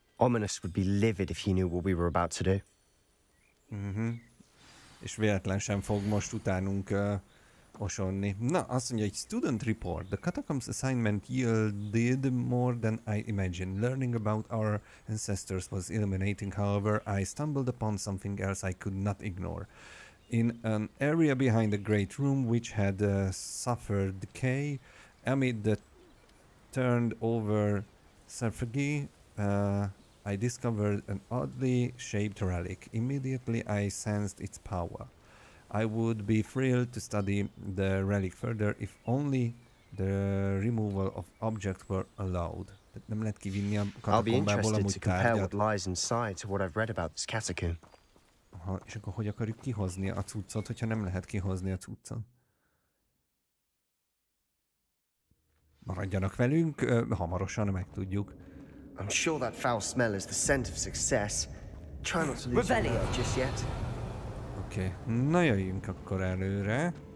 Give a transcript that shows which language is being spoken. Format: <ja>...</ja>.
<en>Ominous would be livid if he knew what we were about to do. Mhm.</en> <hu>És véletlen sem fog most utánunk osonni. Na, azt mondja, egy student report.</hu> <en>The catacombs assignment yielded more than I imagined. Learning about our ancestors was illuminating. However, I stumbled upon something else I could not ignore. In an area behind the great room, which had suffered decay, amid the turned over sarcophagi, I discovered an oddly shaped relic. Immediately I sensed its power. I would be thrilled to study the relic further if only the removal of objects were allowed.</en> <hu>Nem lehet kivinni a katakombából amúgy tárgyat.</hu> <en>I'll be interested to compare what lies inside to what I've read about this catacomb.</en> <hu>Aha, és akkor hogy akarjuk kihozni a cuccot, hogyha nem lehet kihozni a cuccot? Maradjanak velünk, hamarosan megtudjuk.</hu> <en>I'm sure that foul smell is the scent of success. Try not to lose Rebellion. Your nerve just yet.</en> <hu>Okay, na jöjjünk akkor előre.</hu>